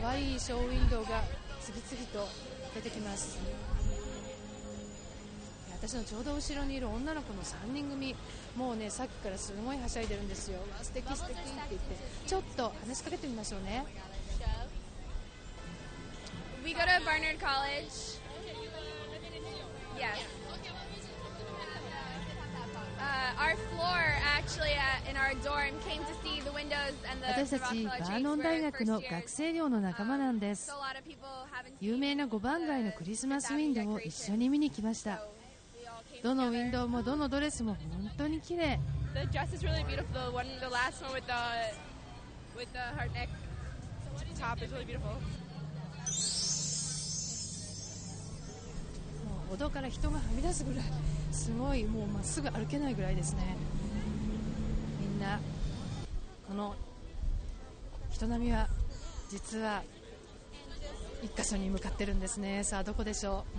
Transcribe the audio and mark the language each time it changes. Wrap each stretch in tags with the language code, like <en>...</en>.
<ja>可愛いショーウィンドウが次々と出てきます。私のちょうど後ろにいる女の子の3人組、もうねさっきからすごいはしゃいでるんですよ。素敵素敵って言って、ちょっと話しかけてみましょうね。</ja> <en>We go to Barnard College. Yes. Our floor actually in our dorm came to see the windows and the</en> <ja>私たちバーノン大学の学生寮の仲間なんです。有名な5番街のクリスマスウィンドウを一緒に見に来ました。どのウィンドウもどのドレスも本当に綺麗。</ja> <en>The dress is really beautiful. The one, the last one with the heart neck top is really beautiful.</en> <ja>もう歩道から人がはみ出すぐらい、すごいもうまっすぐ歩けないぐらいですね。みんなこの人波は実は一箇所に向かってるんですね。さあどこでしょう。</ja>